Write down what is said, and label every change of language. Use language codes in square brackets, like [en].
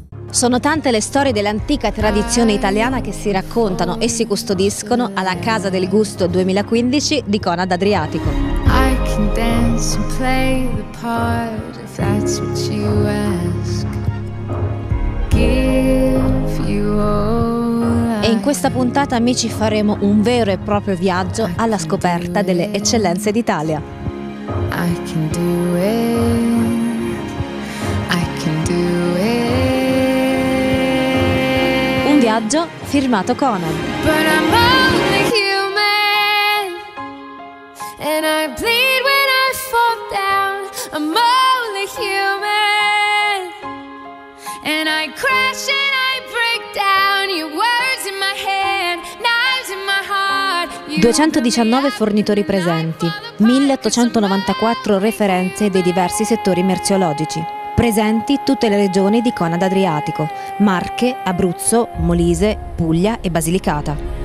[it] Sono tante le storie dell'antica tradizione italiana che si raccontano e si custodiscono alla Casa del Gusto 2015 di Conad Adriatico. [en] I can dance and play the part if that's what you ask. Give you all. [it] E in questa puntata, amici, faremo un vero e proprio viaggio alla scoperta delle eccellenze d'Italia. [en] I can do it. I can do it. [it] Un viaggio firmato Conad. [en] But I'm only human and I bleed when I fall down. I'm only human and I crash and I break down. Your words in my head, knives in my heart. [it] 219 fornitori presenti, 1894 referenze dei diversi settori merceologici. Presenti tutte le regioni di Conad Adriatico: Marche, Abruzzo, Molise, Puglia e Basilicata.